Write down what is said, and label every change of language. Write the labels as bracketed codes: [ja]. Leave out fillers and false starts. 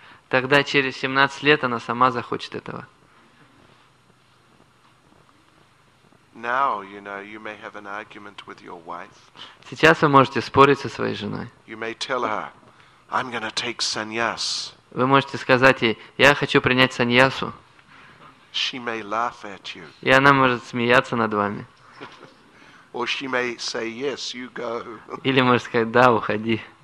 [ru] Тогда через 17 лет она сама захочет этого. [en] Now, you know, you may have an argument with your wife. [ru] Сейчас вы можете спорить со своей женой. [en] You may tell her, I'm going to take sannyas. [ru] Вы можете сказать ей, я хочу принять саньясу. [en] She may laugh at you. [ru] И она может смеяться над вами. [en] Or she may say, yes, you go. [ru] Или может сказать, да, уходи.